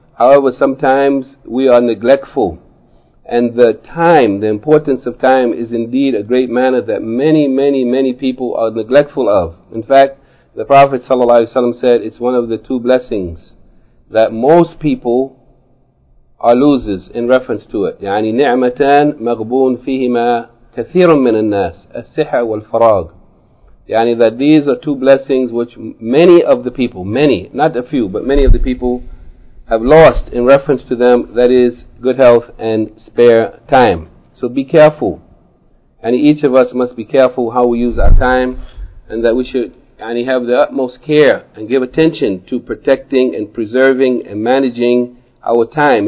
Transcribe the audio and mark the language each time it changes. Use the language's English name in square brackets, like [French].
[English] However, sometimes we are neglectful. And the time, the importance of time is indeed a great matter that many, many, many people are neglectful of. In fact, the Prophet ﷺ said it's one of the two blessings that most people are losers in reference to it. [Arabic] يعني نعمتان مغبون فيهما كثير من الناس السحة والفراغ. [English] Yani that these are two blessings which many of the people, many, not a few, but many of the people have lost in reference to them, that is good health and spare time. So be careful. And each of us must be careful how we use our time, and that we should yani have the utmost care and give attention to protecting and preserving and managing our time.